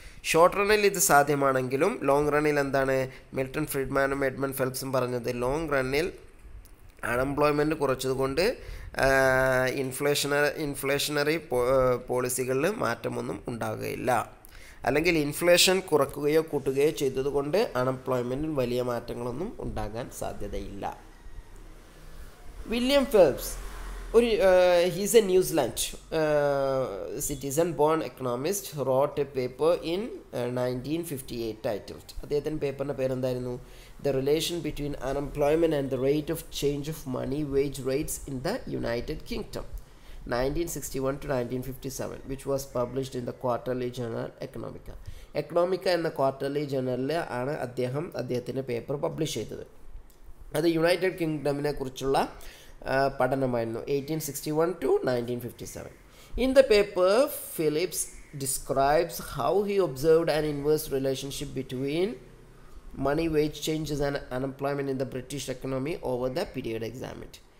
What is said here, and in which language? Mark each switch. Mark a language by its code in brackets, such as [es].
[ml] Short റണ്ണിൽ ഇത് സാധ്യമാണെങ്കിലും long റണ്ണിൽ എന്താണ് Milton ഫ്രീഡ്മാനും Edmund ഫെൽപ്സും പറഞ്ഞത്, ലോങ് റണ്ണിൽ അൺഎംപ്ലോയ്മെൻറ്റ് കുറച്ചതുകൊണ്ട് ഇൻഫ്ലേഷണറി പോളിസികളിൽ മാറ്റമൊന്നും ഉണ്ടാകുകയില്ല, അല്ലെങ്കിൽ ഇൻഫ്ലേഷൻ കുറക്കുകയോ കൂട്ടുകയോ ചെയ്തതുകൊണ്ട് അൺഎംപ്ലോയ്മെൻറ്റിന് വലിയ മാറ്റങ്ങളൊന്നും ഉണ്ടാകാൻ സാധ്യതയില്ല. [en] William Phelps ഒരു he's a New Zealand citizen born economist wrote a paper in 1958 titled. [ml] അദ്ദേഹത്തിൻ്റെ പേപ്പറിൻ്റെ പേരെന്തായിരുന്നു, [en] the relation between unemployment and the rate of change of money wage rates in the United Kingdom, 1961 to 1957, which was published in the Quarterly Journal Economica. [ml] എക്കണോമിക്ക എന്ന quarterly ജേണലിൽ ആണ് അദ്ദേഹത്തിൻ്റെ paper publish ചെയ്തത്. അത് United കിങ്ഡമിനെ കുറിച്ചുള്ള പഠനമായിരുന്നു. [en] 1861 to 1957. In the paper Phillips describes how he observed an inverse relationship between money wage changes and unemployment in the British economy over the period examined.